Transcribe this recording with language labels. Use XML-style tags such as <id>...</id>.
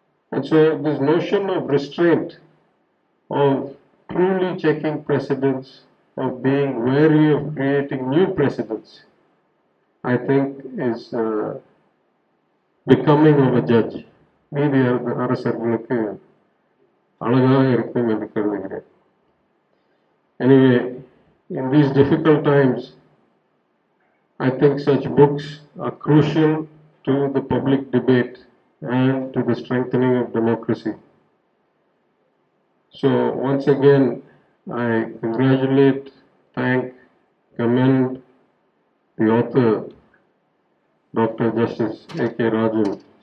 <en>And so this notion of restraint, of truly checking precedents, of being wary of creating new precedents, I think is becoming of a judge.</en> <ta>Maybe அரசர்களுக்கு அழகாக இருக்கும் என்று கருதுகிறேன்.</ta> <en>Anyway, in these difficult times, I think such books are crucial to the public debate and to the strengthening of democracy. So once again, I congratulate, thank, commend the author, Dr. Justice A.K. Rajan.</en>